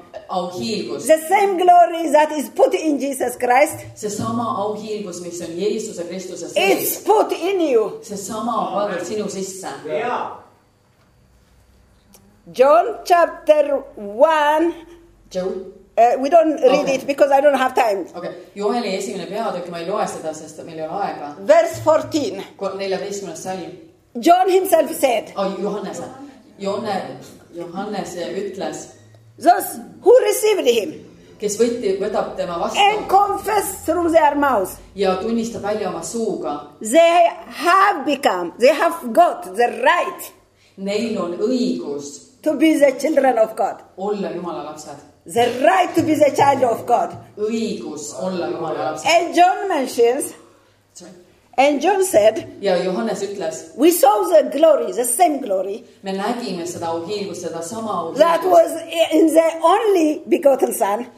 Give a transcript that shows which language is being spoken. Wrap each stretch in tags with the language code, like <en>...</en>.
<en>the same glory that is put in Jesus Christ.</en> <et>Se sama auhiilgus, mis on Jeesuse Kristuse sees.</et> <en>It's put in you.</en> <et>Se sama on pandud sinu sisse.</et> <en>John chapter 1. We don't read it because I don't have time. Okay.</en> <et>Joheli esimene peatükk, ma ei loe seda, sest meil ei ole aega.</et> <en>Verse 14.</en> <et>14. salm.</et> <en>John himself said.</en> <et>Johannes. Johannes ütles.</et> <en>Thus, who received him?</en> <et>Kes võtab tema vastu.</et> <en>And confess through their mouth.</en> <et>Ja tunnistab välja oma suuga.</et> <en>They have got the right.</en> <et>Neil on õigus.</et> <en>To be the children of God.</en> <et>Olla Jumala lapsed.</et> <en>The right to be the child of God.</en> <et>Õigus olla Jumala lapsed.</et> <en>And John mentions. Sorry. And John said.</en> <et>Ja Johannes ütles.</et> <en>We saw the glory, the same glory.</en> <et>Me nägime seda auhiilgust, seda sama auhiilgust.</et> <en>That was in the only begotten son.</en>